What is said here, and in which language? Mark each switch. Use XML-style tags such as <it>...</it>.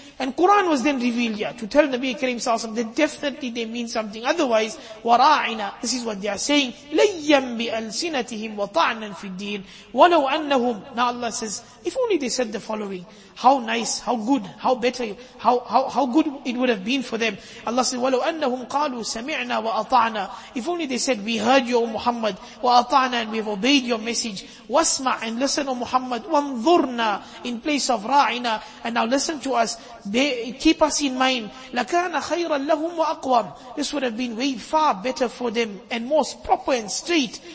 <en>And Quran was then revealed here to tell Nabi Kareem sallallahu alayhi wa sallam that definitely they mean something otherwise.</en> <ar>وَرَاعِنَا,</ar> <en>this is what they are saying.</en> <ar>لَيَّمْ بِأَلْسِنَتِهِمْ وَطَعْنًا فِي الدِّينِ وَلَوْ أَنَّهُمْ.</ar> <en>Now Allah says, if only they said the following, how nice, how good, how better, how good it would have been for them. Allah says,</en> <ar>وَلَوْ أَنَّهُمْ قَالُوا سَمِعْنَا وَأَطَعْنَا.</ar> <en>If only they said, we heard you, O Muhammad,</en> <ar>وَأَطَعْنَا,</ar> <en>and we have obeyed your message.</en> <ar>وَاسْمَعْ,</ar> <en>and listen, O Muhammad,</en> <ar>وَانْظُرْنَا,</ar> <en>in place of</en> <ar>رَاعِنَا,</ar> <en>and now listen to us, keep us in mind.</en> <ar>لَكَانَ خَيْرًا لَهُمْ وَأَقْوَمْ.</ar> <en>This would have been way far better for them, and most proper and straight.</en>